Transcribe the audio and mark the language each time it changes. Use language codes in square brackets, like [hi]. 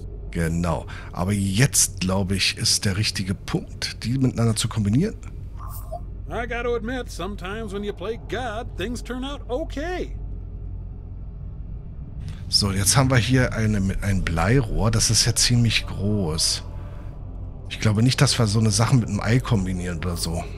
[de] Genau. Aber jetzt, glaube ich, ist der richtige Punkt, die miteinander zu kombinieren. [en] I gotta admit, sometimes when you play God, things turn out okay. [de] So, jetzt haben wir hier ein Bleirohr. Das ist ja ziemlich groß. Ich glaube nicht, dass wir so eine Sache mit einem Ei kombinieren oder so.